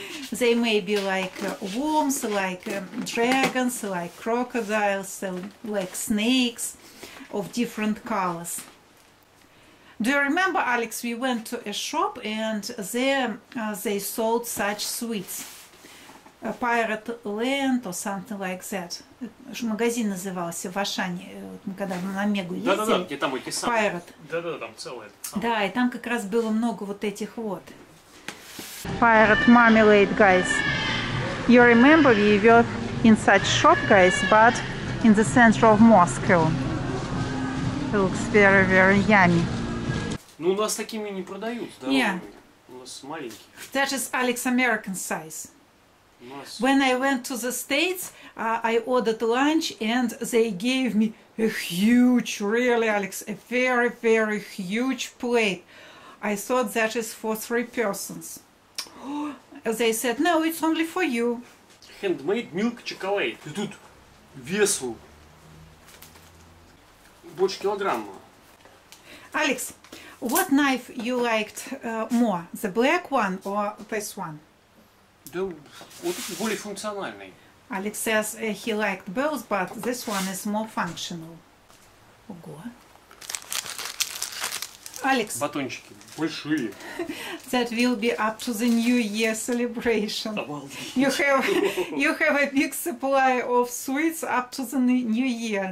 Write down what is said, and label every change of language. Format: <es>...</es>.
<en>They may be like worms, like dragons, like crocodiles, like snakes of different colors. Do you remember, Alex, we went to a shop and there they sold such sweets. A Pirate Land or something like that.</en> <ru>Магазин назывался в Ашане, когда мы на Мегу ездили. Да-да-да, где там эти самые.</ru> <en>Pirate.</en> <ru>Да-да-да, там целое. Да, и там как раз было много вот этих вот.</ru> <en>Pirate Marmalade, guys. You remember we were in such shop, guys, but in the center of Moscow. It looks very, very yummy.</en> <ru>Ну, у нас такими не продают, да?</ru> <en>Yeah.</en> <ru>У нас маленькие.</ru> <en>That is Alex American size. Nice. When I went to the States, I ordered lunch and they gave me a huge, really, Alex, a very, very huge plate. I thought that is for three persons. They said, no, it's only for you. Handmade milk chocolate.</en> <ru>И тут весу больше килограмма.</ru> <en>Alex, what knife you liked more, the black one or this one?</en> <ru>Да, вот этот более функциональный.</ru> <en>Alex says he liked both, but this one is more functional.</en> <ru>Ого. Alex. Батончики большие.</ru> <en>That will be up to the New Year celebration.</en> <ru>Обалдеть.</ru> <en>You have a big supply of sweets up to the New Year.</en>